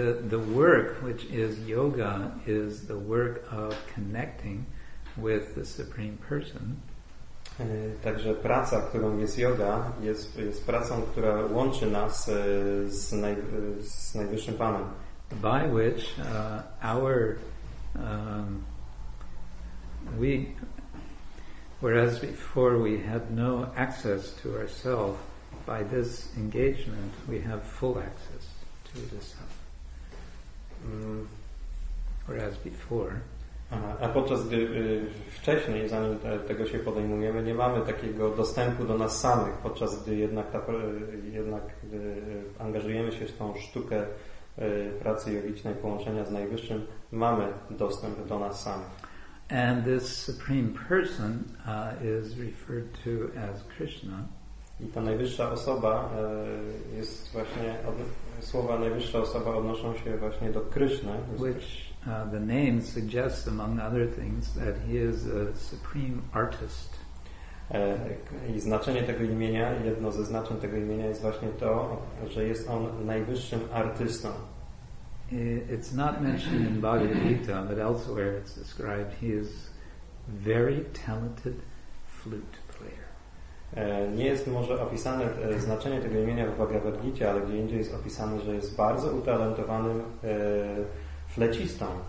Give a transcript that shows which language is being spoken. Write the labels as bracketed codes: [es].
[en] The work which is yoga is the work of connecting with the Supreme Person. [pl] Także praca, którą jest yoga, jest pracą, która łączy nas z najwyższym Panem. [en] By which our we, whereas before we had no access to ourselves, by this engagement we have full access to the self. Whereas before. [pl] A podczas gdy wcześniej, zanim tego się podejmujemy, nie mamy takiego dostępu do nas samych, podczas gdy jednak gdy angażujemy się w tą sztukę pracy jogicznej, połączenia z najwyższym, mamy dostęp do nas samych. [en] And this supreme person is referred to as Krishna. [pl] I ta najwyższa osoba jest właśnie słowa najwyższa osoba odnoszą się właśnie do Krishna. [en] The name suggests, among other things, that he is a supreme artist. [pl] I znaczenie tego imienia, jedno ze znaczeń tego imienia jest właśnie to, że jest on najwyższym artystą. [en] It's not mentioned in Bhagavad Gita, but elsewhere it's described he is very talented flute player. [pl] Nie jest może opisane znaczenie tego imienia w Bhagavad Gita, ale gdzie indziej jest opisane, że jest bardzo utalentowanym flecistą.